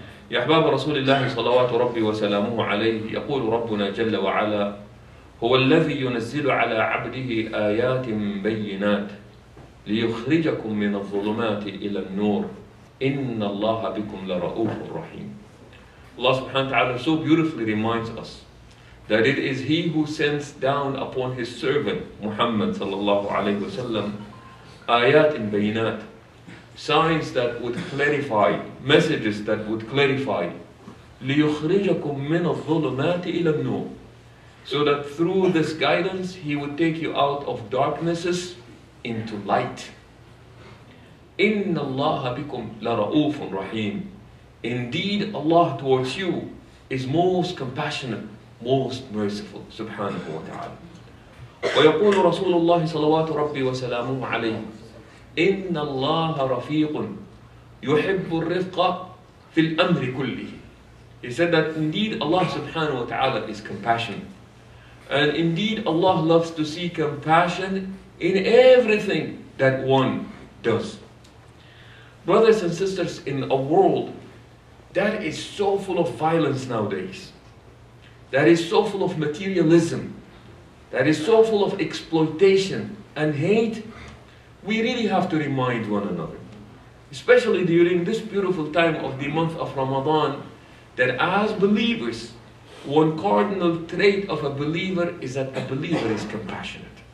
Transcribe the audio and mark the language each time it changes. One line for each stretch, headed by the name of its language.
Arabic: يا احباب رسول الله صلوات ربي وسلامه عليه، يقول ربنا جل وعلا: هو الذي ينزل على عبده ايات بينات ليخرجكم من الظلمات الى النور ان الله بكم لرؤوف رحيم.
English: Allah subhanahu wa ta'ala so beautifully reminds us that it is He who sends down upon His servant Muhammad sallallahu alayhi wa sallam
Arabic: ayat in bayinat,
English: signs that would clarify, messages that would clarify
Arabic: ليخرجكم من الظلمات إلى النور.
English: So that through this guidance, he would take you out of darknesses into light.
Arabic: إن الله بكم لرؤوف رحيم.
English: Indeed, Allah towards you is most compassionate, most merciful.
Arabic: سبحانه وتعالى. ويقول رسول الله صلوات ربي وسلامه عليه إن الله رفيق يحب الرفق في الأمر كله.
English: He said that indeed Allah subhanahu wa ta'ala is compassionate. And indeed Allah loves to see compassion in everything that one does. Brothers and sisters, in a world that is so full of violence nowadays, that is so full of materialism, that is so full of exploitation and hate, we really have to remind one another, especially during this beautiful time of the month of Ramadan, that as believers, one cardinal trait of a believer is that a believer is compassionate.